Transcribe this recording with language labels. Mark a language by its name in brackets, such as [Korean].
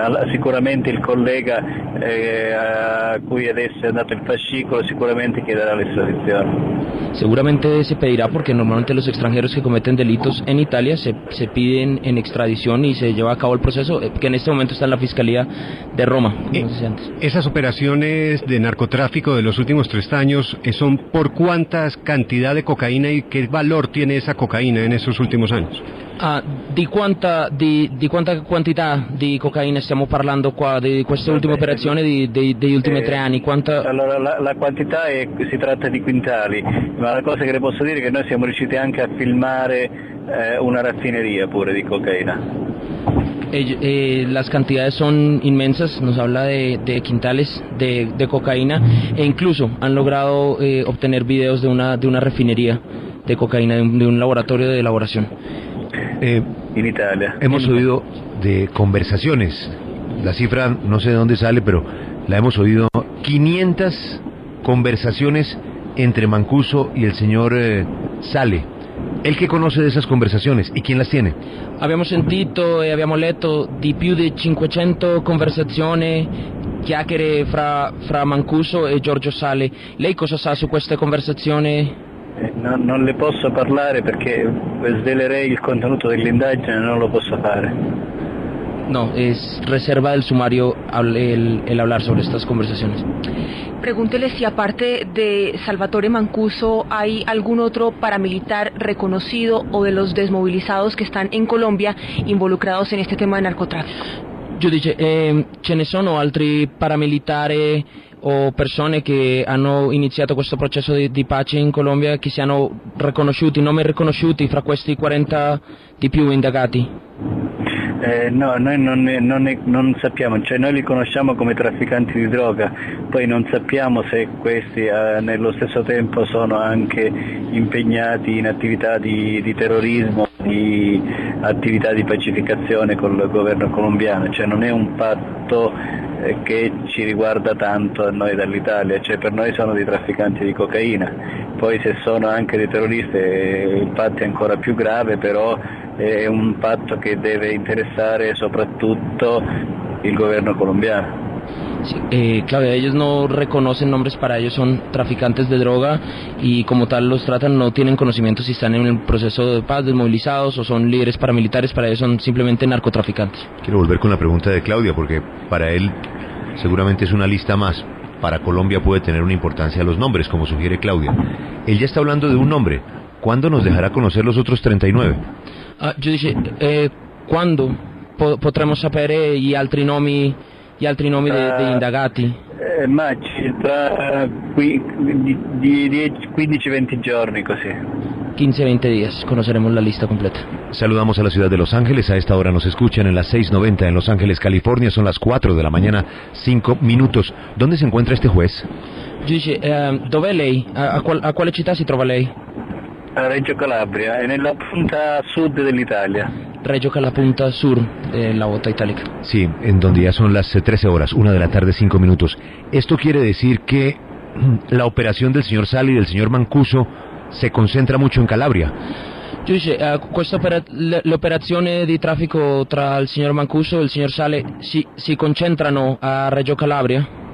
[Italian] Sicuramente il collega a cui adesso è andato il fascicolo sicuramente chiederà l'estradizione. [Spanish] Seguramente se pedirá, porque normalmente los extranjeros que cometen delitos en Italia se piden en extradición y se lleva a cabo el proceso, que en este momento está en la Fiscalía de Roma, como decía antes. ¿Esas operaciones de narcotráfico de los últimos tres años son por cuántas cantidad de cocaína y qué valor tiene esa cocaína en esos últimos años? [Italian] Di quanta quantità di cocaina stiamo parlando qua, di queste ultime operazioni degli ultimi tre anni? Allora, la quantità si tratta di quintali, ma la cosa che le posso dire è che noi siamo riusciti anche a filmare una raffineria pure di cocaina. [Spanish] Las cantidades son inmensas, nos habla de quintales de cocaína, e incluso han logrado obtener videos de una refinería de cocaína, de un laboratorio de elaboración. En Italia. Hemos oído de conversaciones, la cifra no sé de dónde sale, pero la hemos oído, 500 conversaciones entre Mancuso y el señor Sale. ¿El que conoce de esas conversaciones y quién las tiene? Habíamos sentido, habíamos leído de [Italian] più [Spanish] de 500 conversaciones que [Italian] chiacchiere fra [Spanish] Mancuso y Giorgio Sale. [Italian] ¿Lei cosa sa su queste conversazioni? Non le posso parlare perché svelerei il contenuto dell'indagine, non lo posso fare. [Spanish] No, es reserva del sumario el hablar sobre estas conversaciones. Pregúntele si aparte de Salvatore Mancuso hay algún otro paramilitar reconocido o de los desmovilizados que están en Colombia involucrados en este tema de narcotráfico. Yo dije, [Italian] ¿ce ne sono altri paramilitari o persone che hanno iniziato questo processo di pace in Colombia che siano riconosciuti, nomi riconosciuti fra questi 40 di più indagati? No, noi non sappiamo, cioè noi li conosciamo come trafficanti di droga, poi non sappiamo se questi nello stesso tempo sono anche impegnati in attività di terrorismo, di attività di pacificazione col governo colombiano, cioè non è un patto che ci riguarda tanto a noi dall'Italia, cioè per noi sono dei trafficanti di cocaina, poi se sono anche dei terroristi il patto è ancora più grave, però è un patto che deve interessare soprattutto il governo colombiano. [Spanish] Sí, Claudia, ellos no reconocen nombres, para ellos son traficantes de droga y como tal los tratan, no tienen conocimiento si están en el proceso de paz, desmovilizados o son líderes paramilitares, para ellos son simplemente narcotraficantes. Quiero volver con la pregunta de Claudia porque para él seguramente es una lista más, para Colombia puede tener una importancia los nombres, como sugiere Claudia. Él ya está hablando de un nombre, ¿cuándo nos dejará conocer los otros 39? Yo dije, ¿cuándo podremos saber y otros nombres? [Italian] Gli altri nomi degli indagati? Ma tra 15-20 giorni, così. [Spanish] 15-20 días, conoceremos la lista completa. Saludamos a la ciudad de Los Ángeles, a esta hora nos escuchan en las 6:90 en Los Ángeles, California, son las 4 de la mañana, 5 minutos. ¿Dónde se encuentra este juez? [Italian] Giudice, dov'è lei? A quale città si trova lei? A Reggio Calabria, è nella punta sud dell'Italia. [Spanish] Reggio Calapunta Sur, la bota itálica. Sí, en donde ya son las 13 horas, 1 de la tarde, 5 minutos. ¿Esto quiere decir que la operación del señor Sale y del señor Mancuso se concentra mucho en Calabria? Yo dije, la operación de tráfico [Italian] tra [Spanish] el señor Mancuso y el señor Sale, ¿si concentran a Reggio Calabria?